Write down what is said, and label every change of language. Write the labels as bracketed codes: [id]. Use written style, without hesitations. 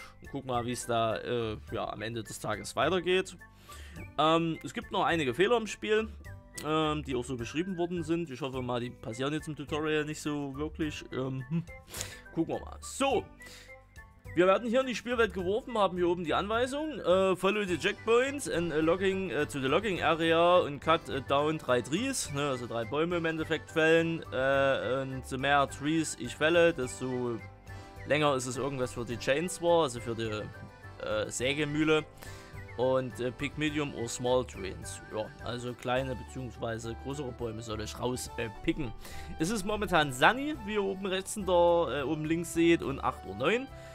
[de] Und gucken mal, wie es da ja, am Ende des Tages weitergeht. Es gibt noch einige Fehler im Spiel, die auch so beschrieben worden sind. Ich hoffe mal, die passieren jetzt im Tutorial nicht so wirklich. Gucken wir mal. So, wir werden hier in die Spielwelt geworfen, haben hier oben die Anweisung. [en] Follow the checkpoints and logging to the logging area and cut down 3 trees. [de] Ne, also 3 Bäume im Endeffekt fällen. Und je mehr Trees ich fälle, desto länger ist es irgendwas für die Chainsaw, also für die Sägemühle. Und [en] pick medium or small trees. [de] Ja, also kleine bzw. größere Bäume soll ich raus picken. Es ist momentan sunny, wie ihr oben rechts und da oben links seht, und 8:09 Uhr.